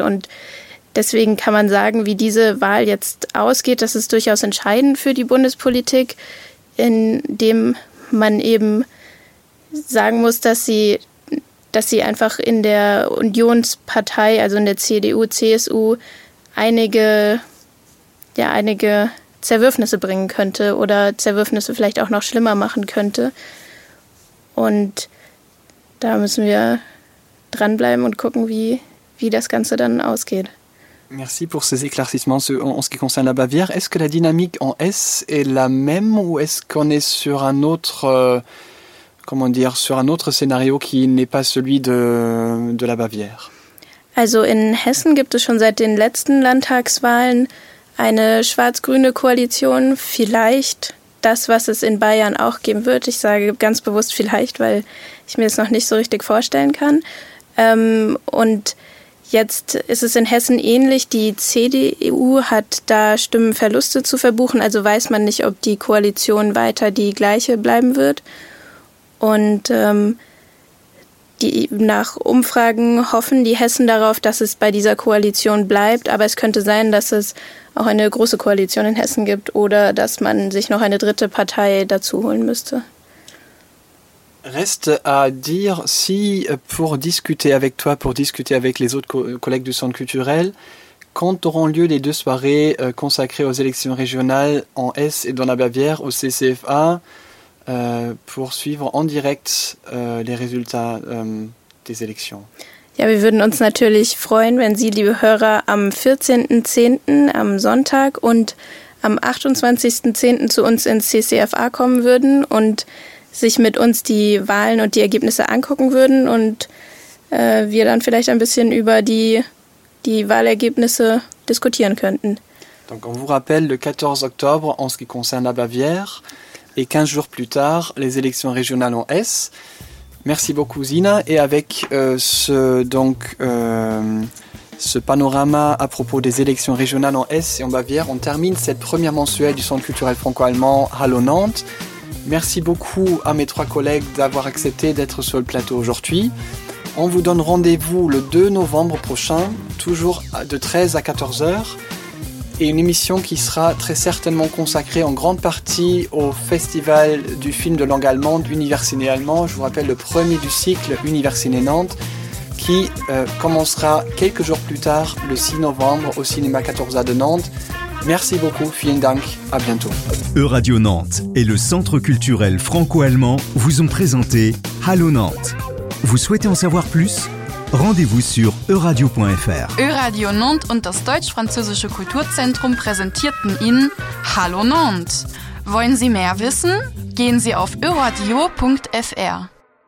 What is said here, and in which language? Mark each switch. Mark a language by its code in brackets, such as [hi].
[de] Und deswegen kann man sagen, wie diese Wahl jetzt ausgeht, das ist durchaus entscheidend für die Bundespolitik, indem man eben sagen muss, dass sie einfach in der Unionspartei, also in der CDU, CSU, einige Zerwürfnisse bringen könnte oder Zerwürfnisse vielleicht auch noch schlimmer machen könnte. Und da müssen wir dranbleiben und gucken, wie das Ganze dann ausgeht. [fr] Merci pour ces éclaircissements en ce qui concerne la Bavière. Est-ce que la dynamique en S est la même ou est-ce qu'on est sur un autre... Comment dire, sur un autre scénario qui n'est pas celui de la Bavière. [de] Also in Hessen gibt es schon seit den letzten Landtagswahlen eine schwarz-grüne Koalition. Vielleicht das, was es in Bayern auch geben wird. Ich sage ganz bewusst vielleicht, weil ich mir das noch nicht so richtig vorstellen kann. Und jetzt ist es in Hessen ähnlich. Die CDU hat da Stimmenverluste zu verbuchen. Also weiß man nicht, ob die Koalition weiter die gleiche bleiben wird. Und nach Umfragen hoffen die Hessen darauf, dass es bei dieser Koalition bleibt. Aber es könnte sein, dass es auch eine große Koalition in Hessen gibt oder dass man sich noch eine dritte Partei dazu holen müsste. [fr] Reste à dire, si pour discuter avec toi, pour discuter avec les autres collègues du Centre culturel, quand auront lieu les deux soirées consacrées aux élections régionales en Hesse et dans la Bavière au CCFA? Pour suivre en direct les résultats des élections. [de] Ja, wir würden uns natürlich freuen, wenn Sie, liebe Hörer, am 14.10. am Sonntag und am 28.10. zu uns ins CCFA kommen würden und sich mit uns die Wahlen und die Ergebnisse angucken würden und wir dann vielleicht ein bisschen über die Wahlergebnisse diskutieren könnten. [fr] Donc on vous rappelle le 14 octobre en ce qui concerne la Bavière. Et 15 jours plus tard, les élections régionales en S. Merci beaucoup, Zina. Et avec ce panorama à propos des élections régionales en S et en Bavière, on termine cette première mensuelle du Centre culturel franco-allemand Hallo Nantes. Merci beaucoup à mes trois collègues d'avoir accepté d'être sur le plateau aujourd'hui. On vous donne rendez-vous le 2 novembre prochain, toujours de 13 à 14 heures. Et une émission qui sera très certainement consacrée en grande partie au Festival du film de langue allemande, Universiné Allemand. Je vous rappelle le premier du cycle Universiné Nantes, qui commencera quelques jours plus tard, le 6 novembre, au cinéma 14A de Nantes. Merci beaucoup, [de] vielen Dank, [fr] à bientôt. Euradio Nantes et le Centre culturel franco-allemand vous ont présenté Hallo Nantes. Vous souhaitez en savoir plus ? Rendez-vous sur euradio.fr. [de] Euradio Nantes und das Deutsch-Französische Kulturzentrum präsentierten Ihnen Hallo Nantes. Wollen Sie mehr wissen? Gehen Sie auf euradio.fr.